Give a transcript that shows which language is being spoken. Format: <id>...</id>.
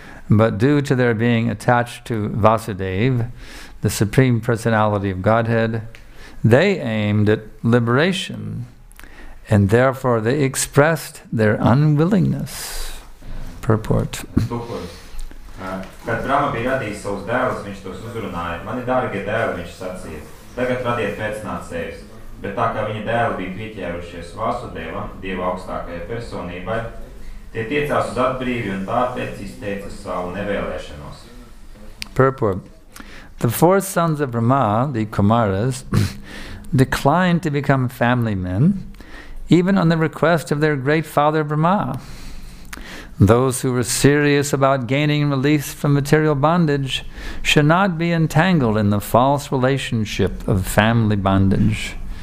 <en>But due to their being attached to Vasudeva, the Supreme Personality of Godhead, they aimed at liberation, and therefore they expressed their unwillingness. Purport.</en> <lv>Kad Brahma bija radījis savus dēlus, viņš tos uzrunāja. Mani dārgie dēli, viņš sacīja, tagad radiet pēcnācējus. Bet tā kā viņa dēli bija pieķērušies Vasudevam, Dieva augstākajai personībai, tie tiecās uz atbrīvi un tāpēc izteica savu nevēlēšanos.</lv> <en>Purport. The four sons of Brahma, the Kumaras, declined to become family men, even on the request of their great father Brahma. Those who were serious about gaining release from material bondage should not be entangled in the false relationship of family bondage.</en>